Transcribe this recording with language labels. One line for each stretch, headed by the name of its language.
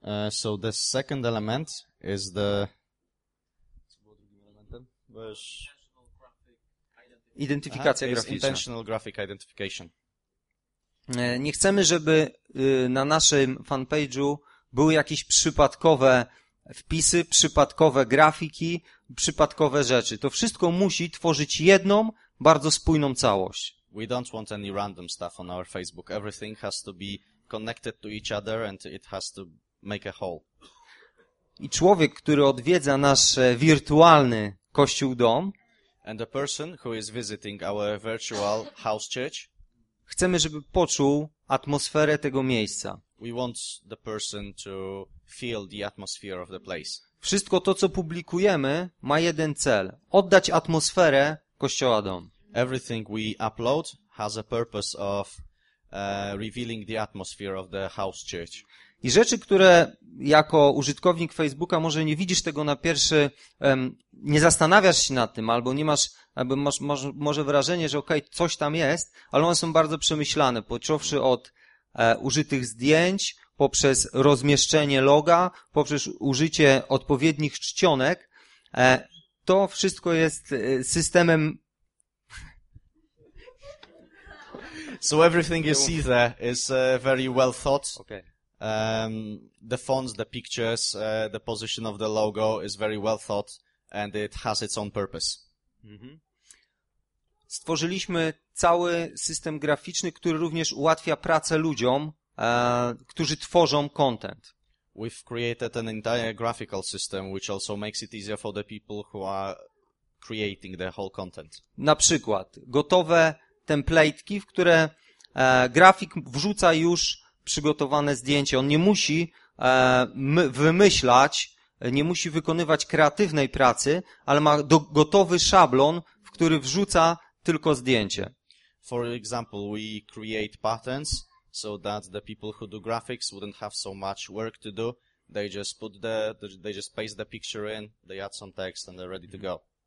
English: So the second element is the...
Polish: Identyfikacja graficzna.
English: Intentional graphic identification.
Polish: Nie chcemy, żeby na naszym fanpage'u były jakieś przypadkowe wpisy, przypadkowe grafiki, przypadkowe rzeczy. To wszystko musi tworzyć jedną, bardzo spójną całość.
English: We don't want any random stuff on our Facebook. Everything has to be connected to each other and it has to make a whole.
Polish: I człowiek, który odwiedza nasz wirtualny kościół dom.
English: And the person who is visiting our virtual house church.
Polish: Chcemy, żeby poczuł atmosferę tego miejsca.
English: We want the person to feel the atmosphere of the place.
Polish: Wszystko to, co publikujemy, ma jeden cel: oddać atmosferę kościoła dom.
English: Everything we upload has a purpose of revealing the atmosphere of the house church.
Polish: I rzeczy, które jako użytkownik Facebooka może nie widzisz tego na pierwszy, nie zastanawiasz się nad tym, albo nie masz, albo masz może wrażenie, że okej, coś tam jest, ale one są bardzo przemyślane, począwszy od użytych zdjęć, poprzez rozmieszczenie loga, poprzez użycie odpowiednich czcionek. To wszystko jest systemem.
English: So everything you see there is very well thought. Okay. The fonts, the pictures, the position of the logo is very well thought and it has its own purpose. Mm-hmm.
Polish: Stworzyliśmy cały system graficzny, który również ułatwia pracę ludziom, którzy tworzą content.
English: We've created an entire graphical system which also makes it easier for the people who are creating the whole content.
Polish: Na przykład gotowe templatki, w które grafik wrzuca już przygotowane zdjęcie. On nie musi wymyślać, nie musi wykonywać kreatywnej pracy, ale ma gotowy szablon, w który wrzuca tylko zdjęcie.
English: For example, we create patterns so that the people who do graphics wouldn't have so much work to do. They just put the, they just paste the picture in, they add some text and they're ready to go.